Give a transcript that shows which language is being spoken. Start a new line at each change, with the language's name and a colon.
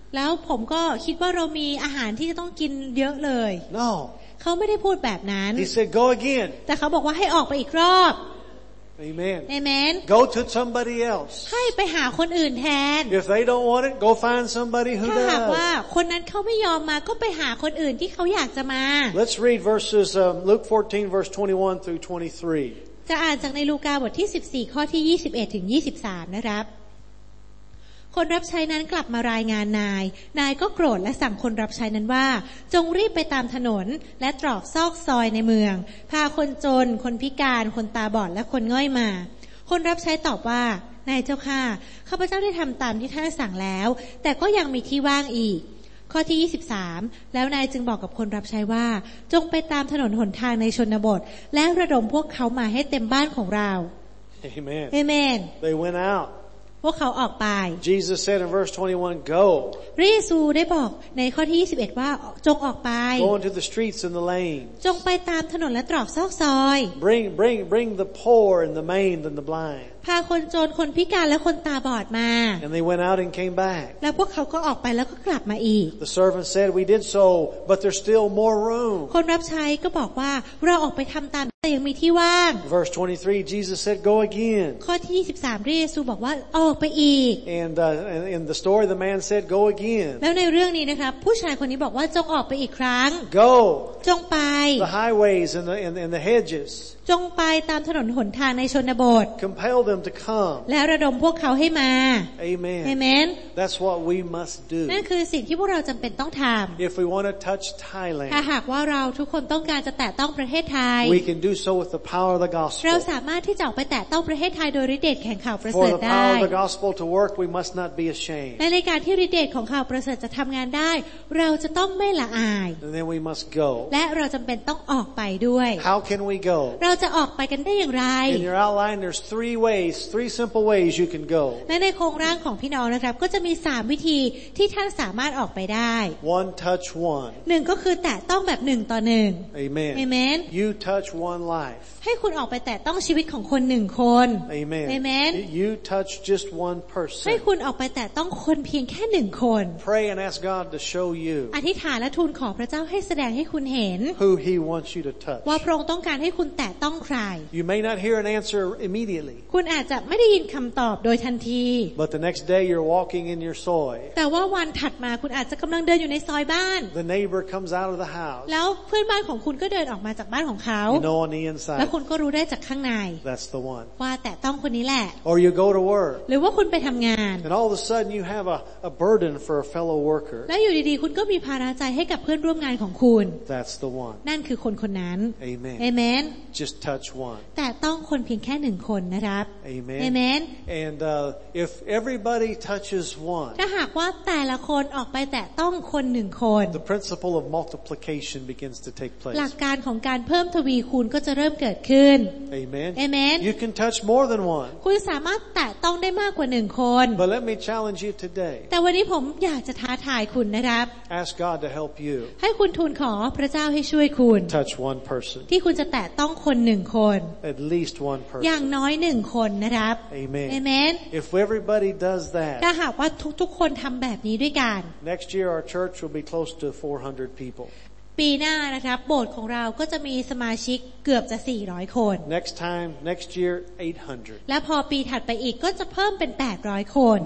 Thai: แล้วผมก็คิดว่าเรามีอาหารที่จะต้องกินเยอะเลย
English: No.
Thai: เขาไม่ได้พูดแบบนั้น
English: He said, "Go again."
Thai: แต่เขาบอกว่าให้ออกไปอีกรอบ
English: Amen.
Thai: Amen.
English: Go to somebody else.
Thai: ให้ไปหาคนอื่นแทน
English: If they don't want it, go find somebody who does.
Thai: ถ้าหากว่าคนนั้นเขาไม่ยอมมาก็ไปหาคนอื่นที่เขาอยากจะมา
English: Let's read verses Luke 14 verse 21 through 23.
Thai: จะอ่านจากในลูกาบทที่14ข้อที่21ถึง23นะครับคนรับใช้นั้นกลับมารายงานนายก็โกรธและสั่งคนรับใช้นั้นว่าจงรีบไปตามถนนและตรอกซอกซอยในเมืองพาคนจนคนพิการคนตาบอดและคนง่อยมา คนรับใช้ตอบว่านายเจ้าข้าข้าพเจ้าได้ทำตามที่ท่านสั่งแล้วแต่ก็ยังมีที่ว่างอีกข้อที่23แล้วนายจึงบอกกับคนรับใช้ว่าจงไปตามถนนหนทางในชนบทและระดมพวกเขามาให้เต็มบ้านของเรา เ อเมน
English: They went out
Thai: พวกเขาออกไป
English: Jesus said in verse 21 go
Thai: พระเยซูได้บอกในข้อที่21ว่าจงออกไป
English: go into the streets and the lanes
Thai: จงไปตามถนนและตรอกซอกซอย
English: bring the poor and the maimed and the blind
Thai: พาคนจนคนพิการและคนตาบอดมา
English: and they went out and came back
Thai: แล้วพวกเขาก็ออกไปแล้วก็กลับมาอีก
English: the servant said we did so but there's still more room
Thai: คนรับใช้ก็บอกว่าเราออกไปทำตามแต่ยังมีที่ว่าง
English: verse 23 Jesus said go again
Thai: ข้อที่23พระเยซูบอกว่าออกไปอีก
English: and in the story the man said go again
Thai: แล้วในเรื่องนี้นะครับผู้ชายคนนี้บอกว่าจงออกไปอีกครั้ง
English: go
Thai: จงไป
English: the highways and the hedges
Thai: จงไปตามถนนหนทางในชนบท
English: Compel them to come
Thai: และระดมพวกเขาให้มา
English: Amen
Thai: Amen
English: That's what we must do
Thai: นั่นคือสิ่งที่พวกเราจำเป็นต้องทำ
English: If we want to touch Thailand
Thai: ถ้าหากว่าเราทุกคนต้องการจะแตะต้องประเทศไทย
English: We can do so with the power of the gospel
Thai: เราสามารถที่จะออกไปแตะต้องประเทศไทยโดยฤทธิ์เดชแห่งข่าวประเสริฐได้
English: For the power of the gospel to work we must not be ashamed
Thai: และในการที่ฤทธิ์เดชของข่าวประเสริฐจะทำงานได้เราจะต้องไม่ละอาย
English: And then we must go
Thai: และเราจำเป็นต้องออกไปด้วย
English: How can we go
Thai: เราจะออกไปกันได้อย่างไร
English: In your outline there's three ways, three simple ways you can go.
Thai: ในโครงร่างของพี่น้องนะครับก็จะมี3วิธีที่ท่านสามารถออกไปได้
English: One touch one.
Thai: 1ก็คือแตะต้องแบบ1ต่อ1
English: Amen.
Thai: Amen.
English: You touch one life.
Thai: ให้คุณออกไปแตะต้องชีวิตของคน1คน
English: Amen.
Thai: Amen.
English: You touch just one person.
Thai: ให้คุณออกไปแตะต้องคนเพียงแค่1คน
English: Pray and ask God to show you.
Thai: อธิษฐานและทูลขอพระเจ้าให้แสดงให้คุณเห็น
English: Who he wants you to touch.
Thai: ว่าพระองค์ต้องการให้คุณแตะต้องใคร
English: You may not hear an answer immediately.
Thai: คุณอาจจะไม่ได้ยินคำตอบโดยทันที
English: But the next day you're walking in your soy.
Thai: แต่ว่าวันถัดมาคุณอาจจะกำลังเดินอยู่ในซอยบ้าน
English: The neighbor comes out of the house.
Thai: แล้วเพื่อนบ้านของคุณก็เดินออกมาจากบ้านของเขา
English: You know on the inside.
Thai: แล้วคุณก็รู้ได้จากข้างใน
English: That's the one.
Thai: ว่าแต่ต้องคนนี้แหละ
English: Or you go to work.
Thai: หรือว่าคุณไปทำงาน
English: And all of a sudden you have a burden for a fellow worker.
Thai: แล้วอยู่ดีๆคุณก็มีภาระใจให้กับเพื่อนร่วมงานของคุณ
English: That's the one.
Thai: นั่นคือคนคนนั้น
English: Amen.
Thai: Amen.
English: Just touch one.
Thai: แต่ต้องคนเพียงแค่หนึ่งคนนะครับ
English: Amen.
Thai: Amen.
English: And if everybody touches one,
Thai: ถ้าหากว่าแต่ละคนออกไปแต่ต้องคนหนึ่งคน
English: the principle of multiplication begins to take place.
Thai: หลักการของการเพิ่มทวีคูณก็จะเริ่มเกิดขึ้น
English: Amen.
Thai: Amen.
English: You can touch more than one.
Thai: คุณสามารถแต่ต้องได้มากกว่าหนึ่งคน
English: But let me challenge you today.
Thai: แต่วันนี้ผมอยากจะท้าทายคุณนะครับ
English: Ask God to help you.
Thai: ให้คุณทูลขอพระเจ้าให้ช่วยคุณ
English: Touch one person.
Thai: ที่คุณจะแต่ต้องคนหนึ่งคน
English: At least one person.
Thai: อย่างน้อยหนึ่งคนนะครับ
English: Amen.
Thai: Amen.
English: If everybody does that,
Thai: ถ้าหากว่าทุกคนทำแบบนี้ด้วยกัน
English: Next year our church will be close to 400 people.
Thai: ปีหน้านะครับโบสถ์ของเราก็จะมีสมาชิกเกือบจะ400คน
English: Next time, next year 800.
Thai: และพอปีถัดไปอีกก็จะเพิ่มเป็น800คน